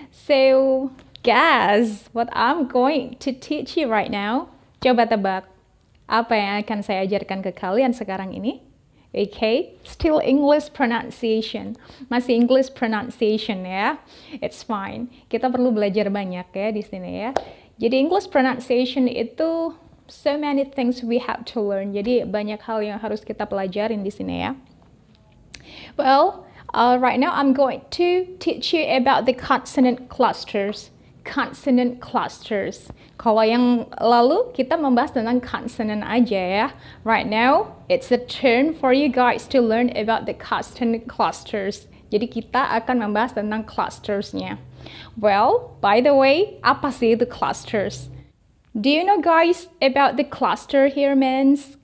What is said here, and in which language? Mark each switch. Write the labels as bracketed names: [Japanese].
[English] So, guess what I'm going to teach you right now. [Indonesian] Coba tebak, apa yang akan saya ajarkan ke kalian sekarang ini? [English] Okay, still English pronunciation. [Indonesian] Masih English pronunciation ya. [English] It's fine. [Indonesian] Kita perlu belajar banyak ya di sini ya. Jadi English pronunciation itu [English] so many things we have to learn. [Indonesian] Jadi banyak hal yang harus kita pelajarin di sini ya. [English] Well, right now I'm going to teach you about the consonant clusters. [Indonesian] Consonant clusters. Kalau yang lalu kita membahas tentang consonant aja ya. [English] Right now, it's a turn for you guys to learn about the consonant clusters. [Indonesian] Jadi kita akan membahas tentang clusters-nya. [English] Well, by the way, [Indonesian] apa sih [English] the clusters? Do you know guys about the cluster here, mens?